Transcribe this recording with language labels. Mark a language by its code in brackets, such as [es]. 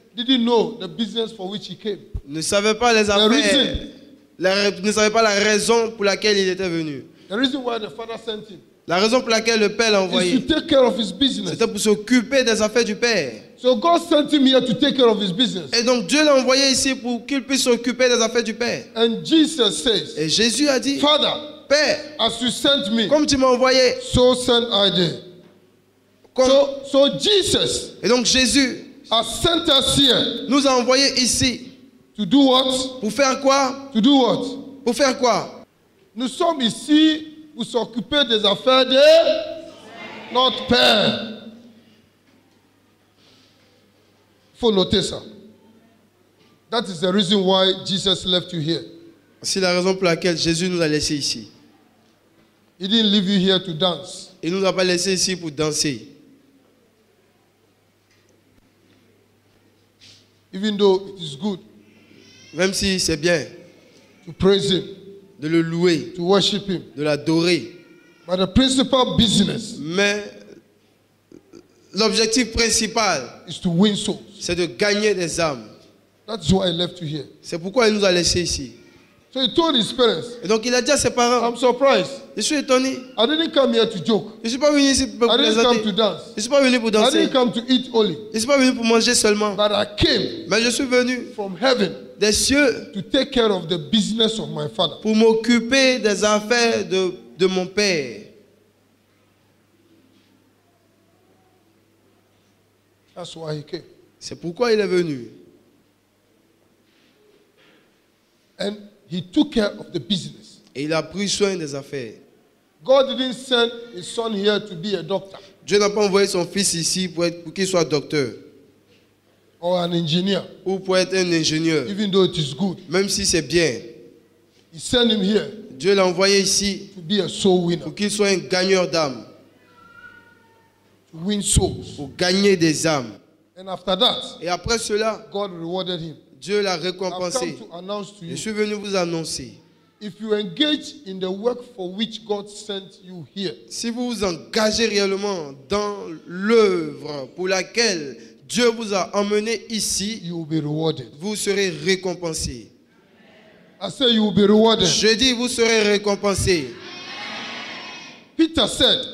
[en] Didn't know the business for which he came. [fr] Ne savait pas les affaires. [en] The reason. [fr] Ne savait pas la raison pour laquelle il était venu. [en] The reason why the father sent him. [fr] La raison pour laquelle le père l'a envoyé. [en] To take care of his business. [fr] C'était pour s'occuper des affaires du père. [en] So God sent him here to take care of his business. [fr] Et donc Dieu l'a envoyé ici pour qu'il puisse s'occuper des affaires du père. [en] And Jesus says. [fr] Et Jésus a dit. [en] Father. [fr] Père. [en] As you sent me. [fr] Comme tu m'as envoyé. [en] So send I thee. So Jesus. [fr] Et donc Jésus. [en] Has sent us here. [fr] Nous a envoyé ici. [en] To do what? [fr] Pour faire quoi? [en] To do what? [fr] Pour faire quoi? Nous sommes ici pour s'occuper des affaires de notre père. Il faut noter ça. [en] That is the reason why Jesus left you here. [fr] C'est la raison pour laquelle Jésus nous a laissé ici. [en] He didn't leave you here to dance. [fr] Il nous a pas laissé ici pour danser. [en] Even though it is good. [fr] Même si c'est bien [en] to praise him, [fr] de le louer, [en] to worship him, [fr] de l'adorer. [en] But the principal business, [fr] mais l'objectif principal [en] is to win souls. [fr] C'est de gagner des âmes. [en] That's why I left you here. [fr] C'est pourquoi il nous a laissé ici. [en] So he told his parents, [fr] et donc il a dit à ses parents, [en] I'm surprised. [fr] Je suis étonné. [en] I didn't come here to joke. [fr] Je ne suis pas venu ici pour plaisanter. [en] I didn't come to dance. [fr] Je ne suis pas venu pour danser. [en] I didn't come to eat only. [fr] Je ne suis pas venu pour manger seulement. [en] But I came, [fr] mais je suis venu [en] from heaven, [fr] des cieux, [en] to take care of the business of my father, [fr] pour m'occuper des affaires de mon père. [en] That's why he came. [fr] C'est pourquoi il est venu. [en] And he took care of the business. [fr] Et il a pris soin des affaires. [en] God didn't send his son here to be a doctor. [fr] Dieu n'a pas envoyé son fils ici pour qu'il soit docteur. [en] Or an engineer. [fr] Ou pour être un ingénieur. [en] Even though it is good. [fr] Même si c'est bien. [en] He sent him here. [fr] Dieu l'a envoyé ici. [en] To be a soul winner. [fr] Pour qu'il soit un gagneur d'âmes. [en] To win souls. [fr] Pour gagner des âmes. [en] And after that. [fr] Et après cela. [en] God rewarded him. [fr] Dieu l'a récompensé. [en] I've come to announce to you. [fr] Je suis venu vous annoncer. [en] If you engage in the work for which God sent you here, [fr] si vous vous engagez réellement dans l'œuvre pour laquelle Dieu vous a emmené ici, [en] you will be rewarded. [fr] Vous serez récompensé. [en] I say you will be rewarded. [fr] Je dis vous serez récompensé. [en] Peter said,